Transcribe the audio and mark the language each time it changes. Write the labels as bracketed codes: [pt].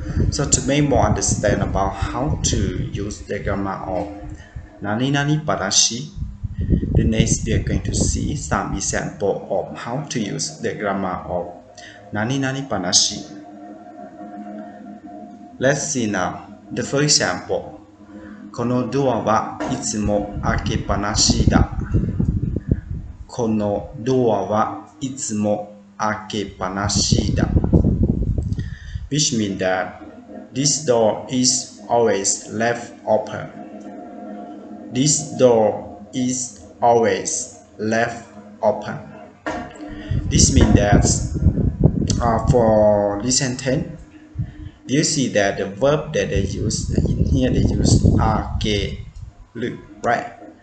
[en] So to make more understand about how to use the grammar of Naninani Banashi, the next we are going to see some example of how to use the grammar of Naninani Banashi. Let's see now. The first example. [ja] このドアはいつも開けっぱなしだ。このドアはいつも開けっぱなしだ。 [en] Which means that this door is always left open. This door is always left open. This means that for this sentence, you see that the verb that they use in here, they use ake, right?